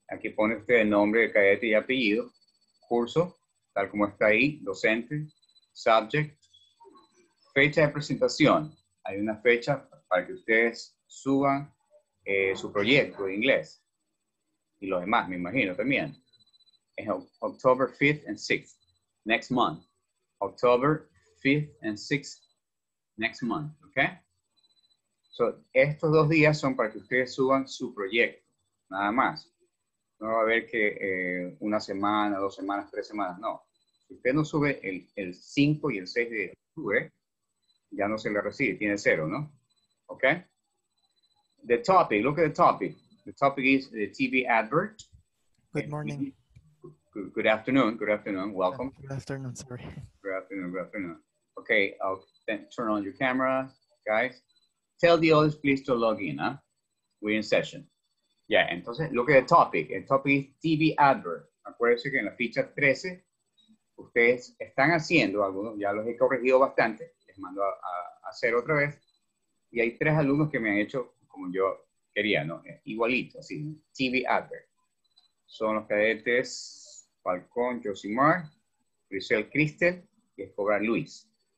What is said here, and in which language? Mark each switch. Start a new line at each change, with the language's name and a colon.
Spanish: Aquí pone usted el nombre, el cadete y apellido, curso, tal como está ahí, docente, subject, fecha de presentación. Hay una fecha para que ustedes suban su proyecto de inglés. Y los demás, me imagino, también.
English: Es October 5th and 6th, next month. October 5th and 6th, next month, ¿ok?
Spanish: So, estos dos días son para que ustedes suban su proyecto, nada más. No va a haber que una semana, dos semanas, tres semanas, no. Si usted no sube el 5 y el 6 de octubre, ya no se le recibe, tiene cero, ¿no? ¿Ok?
English: The topic, look at the topic. The topic is the TV advert. Good morning. Good afternoon, welcome. Good afternoon, sorry. Good afternoon. Okay, I'll then turn on your camera, guys. Tell the others, please, to log in, huh? We're in session. Yeah, entonces, look at the topic. The topic is TV advert.
Spanish: Acuérdense que en la ficha 13, ustedes están haciendo algunos, ya los he corregido bastante. Mando a hacer otra vez y hay tres alumnos que me han hecho como yo quería, ¿no? Igualito, así, TV advert. Son los cadetes Falcón, Josimar, Grisel Cristel y Escobar Luis.